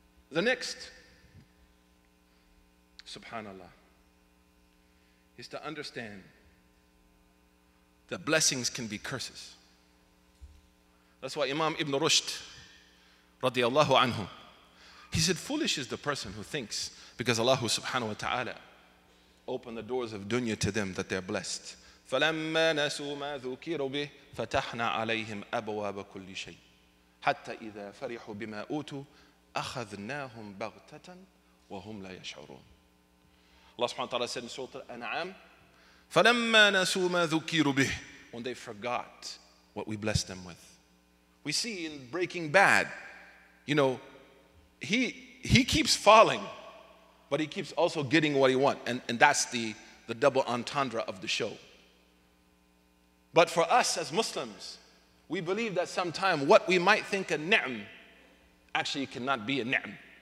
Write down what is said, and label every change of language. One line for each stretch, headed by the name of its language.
English: The next, subhanallah, is to understand that blessings can be curses. That's why Imam Ibn Rushd, radiyallahu anhu, he said, foolish is the person who thinks, because Allah subhanahu wa ta'ala open the doors of dunya to them that they're blessed.
Arabic: فَلَمَّا نَسُوا مَا ذُكِرُوا بِهِ فَتَحْنَا عَلَيْهِمْ أَبْوَابَ كُلِّ شَيْءٍ حَتَّى إِذَا فَرِحُوا بِمَا أُوتُوا أَخَذْنَاهُمْ بَغْتَةً وَهُمْ لَا يَشْعُرُونَ
English: Allah subhanahu wa ta'ala said in Surah Al-An'am,
Arabic: فَلَمَّا نَسُوا مَا ذُكِرُوا بِهِ
English: when they forgot what we blessed them with. We see in Breaking Bad, you know, he keeps falling, but he keeps also getting what he wants. And that's the double entendre of the show. But for us as Muslims, we believe that sometime what we might think a ni'm actually cannot be a ni'm.